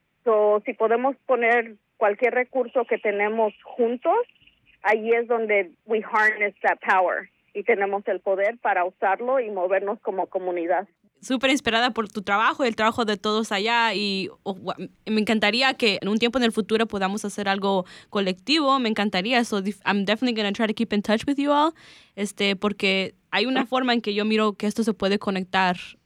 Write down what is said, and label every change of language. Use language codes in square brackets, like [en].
[es] So, si podemos poner cualquier recurso que tenemos juntos, ahí es donde [en] we harness that power [es] y tenemos el poder para usarlo y movernos como comunidad. Súper inspirada por tu trabajo y el trabajo de todos allá. Me encantaría que en un tiempo en el futuro podamos hacer algo colectivo. Me encantaría. [en] So I'm definitely going to try to keep in touch with you all. [es] Porque hay una forma en que yo miro que esto se puede conectar.